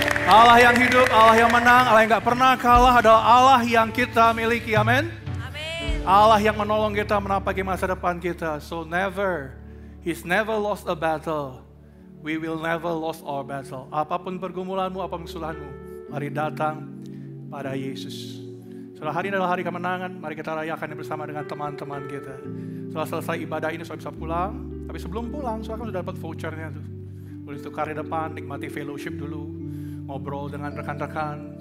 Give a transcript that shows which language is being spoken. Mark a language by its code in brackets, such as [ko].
[id] Allah yang hidup, Allah yang menang, Allah yang gak pernah kalah adalah Allah yang kita miliki. Amin. Allah yang menolong kita menapaki masa depan kita. [en] So never, He's never lost a battle. We will never lost our battle. [id] Apapun pergumulanmu, apapun kesulitanmu, mari datang pada Yesus. Setelah hari ini adalah hari kemenangan, mari kita rayakan bersama dengan teman-teman kita. Setelah selesai ibadah ini, saya bisa pulang. Tapi sebelum pulang, saya kan sudah dapat vouchernya tuh. Boleh tukar di depan, nikmati fellowship dulu. Ngobrol dengan rekan-rekan.